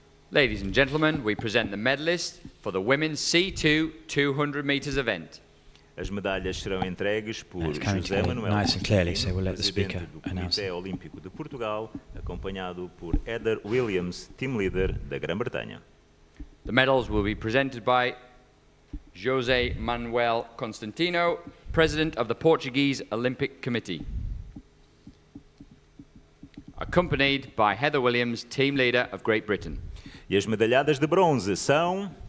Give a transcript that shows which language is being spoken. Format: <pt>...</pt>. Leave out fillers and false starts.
<en>Ladies and gentlemen, we present the medalist for the women's C2 200 metres event.</en> <pt>As medalhas serão entregues por José Manuel,</pt> <en>nice and clearly, so we'll let the speaker announce.</en> <pt>Olímpico de Portugal, acompanhado por Heather Williams, team leader da Grã-Bretanha.</pt> <en>The medals will be presented by José Manuel Constantino, President of the Portuguese Olympic Committee, accompanied by Heather Williams, Team Leader of Great Britain.</en> <pt>E as medalhadas de bronze são...</pt>